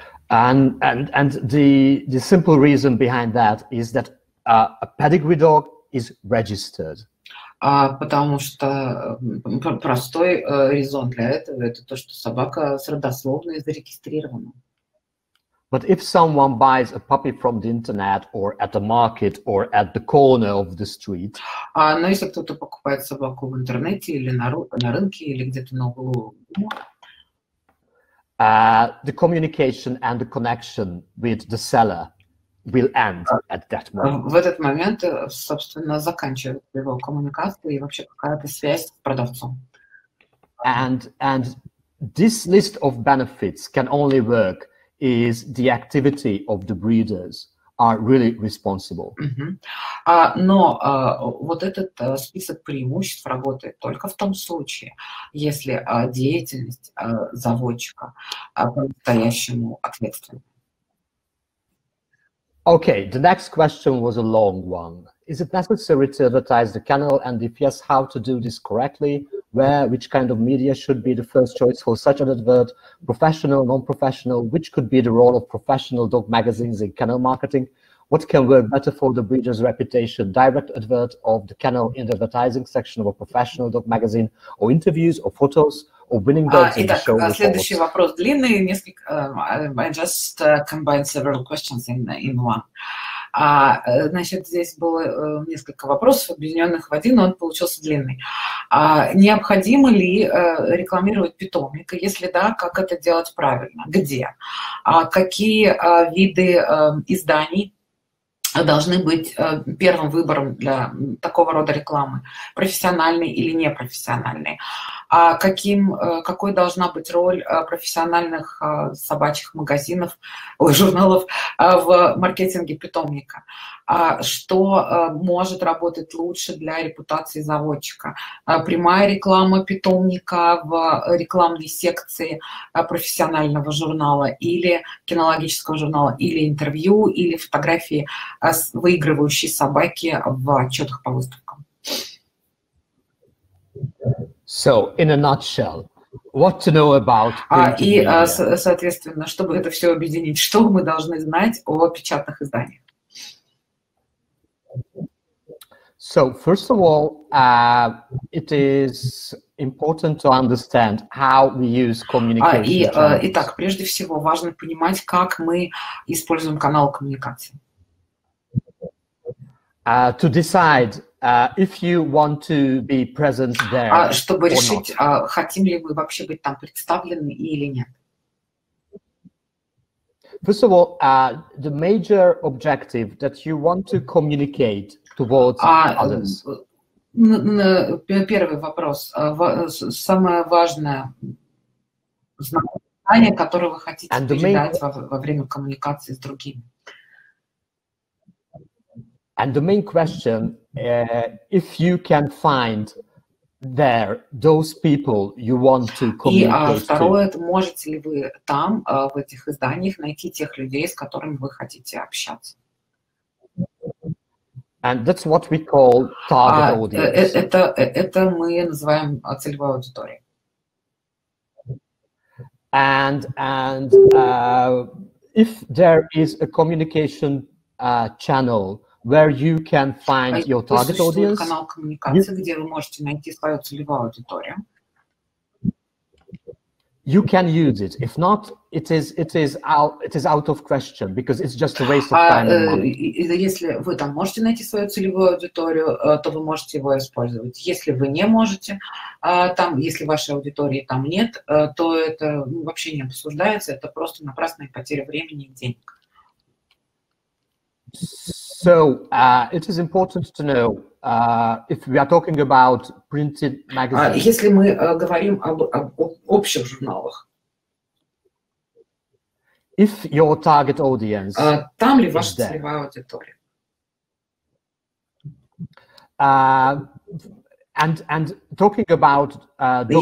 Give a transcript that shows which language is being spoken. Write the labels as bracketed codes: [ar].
[en] And the simple reason behind that is that a pedigree dog is registered. [ru] Потому что простой резон для этого это то, что собака с родословной зарегистрирована. [en] But if someone buys a puppy from the internet or at the market or at the corner of the street. [ru] Но если кто-то покупает собаку в интернете или на рынке или где-то на углу. [en] The communication and the connection with the seller will end at that moment. [ru] В этот момент, собственно, заканчивается его коммуникация и вообще какая-то связь с продавцом. [en] And this list of benefits can only work if the activity of the breeders are really responsible. [ru] Вот этот список преимуществ работает только в том случае, если деятельность заводчика по-настоящему ответственна. [en] Okay, the next question was a long one. Is it necessary to advertise the kennel, and if yes, how to do this correctly? Where, which kind of media should be the first choice for such an advert? Professional, non-professional, which could be the role of professional dog magazines in kennel marketing? What can work better for the breeder's reputation? Direct advert of the kennel in the advertising section of a professional dog magazine, or interviews, or photos, or winning dogs in the show. [ru] Следующий вопрос длинный, несколько. [en] I just combined several questions in one. [ru] Значит, здесь было несколько вопросов, объединенных в один, но он получился длинный. Необходимо ли рекламировать питомника? Если да, как это делать правильно? Где? Какие виды изданий должны быть первым выбором для такого рода рекламы? Профессиональные или непрофессиональные? а каким, какой должна быть роль профессиональных собачьих магазинов, журналов в маркетинге питомника, что может работать лучше для репутации заводчика, прямая реклама питомника в рекламной секции профессионального журнала или кинологического журнала, или интервью, или фотографии выигрывающей собаки в отчетах по выставкам. [en] So, in a nutshell, what to know about media? [ru] И, соответственно, чтобы это все объединить, что мы должны знать о печатных изданиях? [en] So, first of all, it is important to understand how we use communication channels. [ru] Итак, прежде всего, важно понимать, как мы используем канал коммуникации. [en] To decide if you want to be present there. [ru] Чтобы решить, хотим ли мы вообще быть там представлены или нет. [en] First of all, the major objective that you want to communicate towards others. [ru] Первый вопрос. Самое важное знание, которое вы хотите передать во время коммуникации с другими. [en] And the main question, if you can find there those people you want to communicate to. [ru] И второе, это можете ли вы там, в этих изданиях, найти тех людей, с которыми вы хотите общаться? [en] And that's what we call target audience. [ru] Это мы называем целевой аудиторией. [en] And if there is a communication channel where you can find your target audience. [ru] Канал коммуникации, где вы можете найти свою целевую аудиторию. [en] You can use it. If not, it is out of question because it's just a waste of time and money. [ru] Если вы там можете найти свою целевую аудиторию, то вы можете его использовать. Если вы не можете, там, если вашей аудитории там нет, то это вообще не обсуждается, это просто напрасная потеря времени и денег. [en] So it is important to know if we are talking about printed magazines. [ru] Если мы говорим об общих журналах. [en] If your target audience. [ru] Там ли ваша целевая аудитория? [en] And talking about dog-related magazines.